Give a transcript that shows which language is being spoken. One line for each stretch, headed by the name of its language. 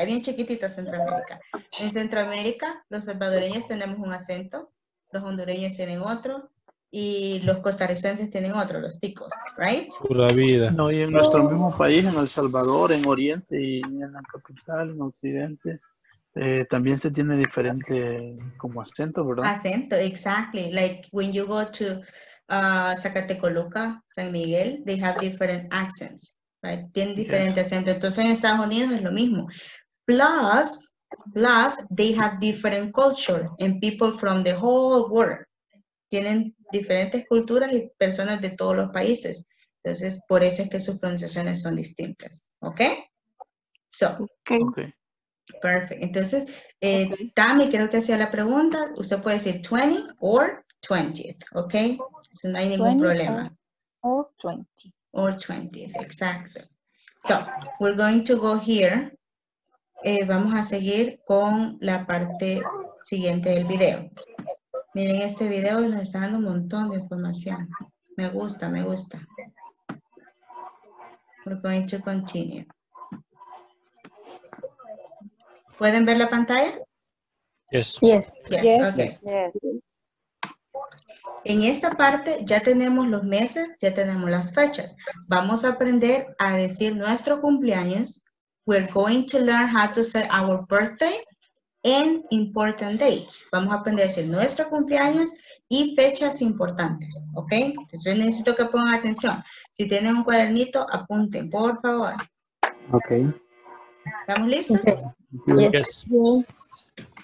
Spanish: Es bien chiquitita Centroamérica. En Centroamérica, los salvadoreños tenemos un acento. Los hondureños tienen otro. Y los costarricenses tienen otro, los ticos.
English: Right?
Spanish: Pura vida. No, y en nuestro mismo país, en El Salvador, en Oriente, y en la capital, en Occidente. También se tiene diferente como acento, ¿verdad? Acento,
English: exactly. Like when you go to Zacatecoluca, San Miguel, they have different accents, right?
Spanish: Tienen diferente acento. Entonces en Estados Unidos es lo mismo.
English: Plus, they have different culture and people from the whole world.
Spanish: Tienen diferentes culturas y personas de todos los países. Entonces, por eso es que sus pronunciaciones son distintas.
English: ¿Ok? So. Okay.
Spanish: Perfect. Entonces, Tammy, creo que hacía la pregunta. Usted puede decir 20
English: or 20th.
Spanish: ¿Ok? So, no hay ningún problema.
English: Or 20. Or 20th.
Spanish: Exacto.
English: So, we're going to go here.
Spanish: Vamos a seguir con la parte siguiente del video. Miren, este video nos está dando un montón de información. Me gusta, me gusta.
English: We're going to continue.
Spanish: ¿Pueden ver la pantalla?
English: Yes. Yes. Yes. Yes. Okay. Yes.
Spanish: En esta parte ya tenemos los meses, ya tenemos las fechas. Vamos a aprender a decir nuestro cumpleaños. We're going to learn how to say our birthday and important dates. Vamos a aprender a decir nuestro cumpleaños y fechas importantes, ¿ok? Entonces necesito que pongan atención. Si tienen un cuadernito, apunten, por favor.
English: Ok.
Spanish: ¿Estamos listos? Okay.
English: Yes. Yes.